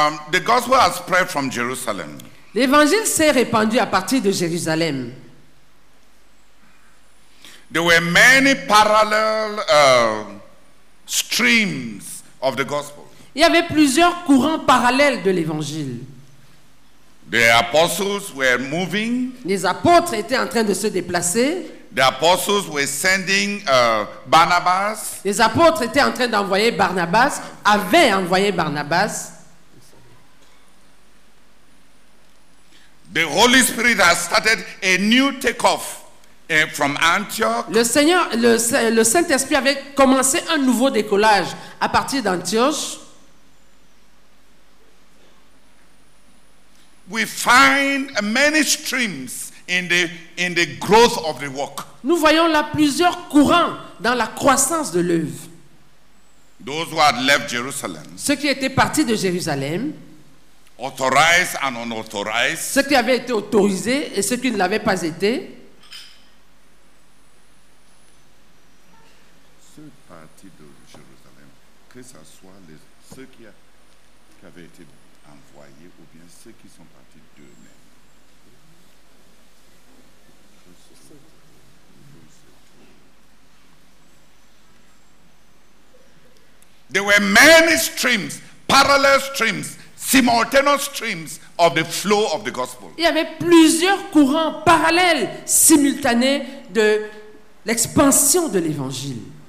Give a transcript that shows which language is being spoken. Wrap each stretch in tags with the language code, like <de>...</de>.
<en>The gospel has spread from Jerusalem.</en> <fr>L'évangile s'est répandu à partir de Jérusalem.</fr> <en>There were many parallel streams of the gospel.</en> <fr>Il y avait plusieurs courants parallèles de l'évangile.</fr> <en>The apostles were moving.</en> <fr>Les apôtres étaient en train de se déplacer.</fr> <en>The apostles were sending Barnabas.</en> <fr>Les apôtres étaient en train d'envoyer Barnabas, avaient envoyé Barnabas.</fr> <en>The Holy Spirit has started a new takeoff from Antioch.</en> <fr>Le Saint-Esprit avait commencé un nouveau décollage à partir d'Antioche.</fr> <en>We find many streams in the growth of the work.</en> <fr>Nous voyons là plusieurs courants dans la croissance de l'œuvre.</fr> <en>Those who had left Jerusalem.</en> <fr>Ceux qui étaient partis de Jérusalem.</fr> <en>Authorized and unauthorized.</en> <fr>Ceux qui avaient été autorisés et ceux qui ne l'avaient pas été. Ceux partis de Jérusalem, que ce soit ceux qui avaient été envoyés ou bien ceux qui sont partis d'eux-mêmes.</fr> <en>There were many streams, parallel streams, simultaneous streams of the flow of the gospel.</en> <fr>Il y avait plusieurs courants parallèles, simultanés de l'expansion de l'évangile.</fr>